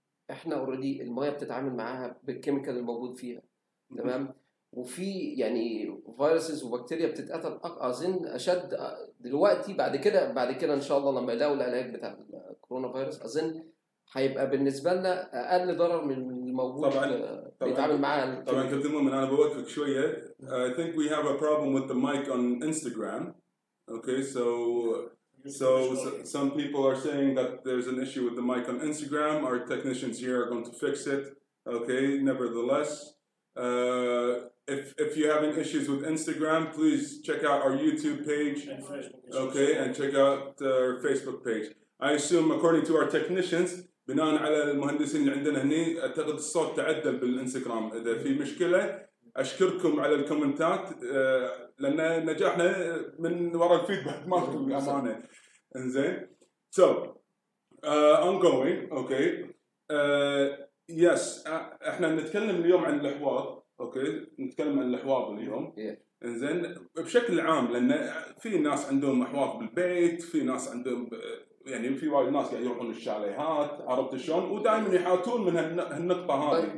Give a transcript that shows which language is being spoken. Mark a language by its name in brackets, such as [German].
[Arabic] إحنا أوريدي المية بتتعامل معها بالكيميكال الموجود فيها تمام وفي يعني فيروسز وبكتيريا بتتقتل أظن أشد دلوقتي بعد كده إن شاء الله لما يلاقوا العلاج بتاع الكورونا فيروس أظن هيبقى بالنسبة لنا أقل ضرر من الموجود بيتعامل معاه طبعا كابتن مؤمن أنا بوقفك شوية [English] I think we have a problem with the mic on Instagram Okay, so some people are saying that there's an issue with the mic on Instagram. Our technicians here are going to fix it. Okay, nevertheless, if you're having issues with Instagram, please check out our YouTube page. And Facebook. Okay, and check out our Facebook page. I assume, according to our technicians, [Arabic] بناء على المهندسين اللي عندنا هني, أعتقد الصوت تعدل بالإنستغرام. إذا في مشكلة, أشكركم على الكومنتات. لأن نجاحنا من وراء الفيدباك ماكو أمانة إنزين [English] so ongoing okay yes [Arabic] إحنا نتكلم اليوم عن الأحواض okay نتكلم عن الأحواض اليوم إنزين بشكل عام لأن في ناس عندهم أحواض بالبيت في ناس عندهم يعني في وايد ناس قاعد يروحون الشاليهات عرفت شلون ودائما يحاتون من هالنقطة هذه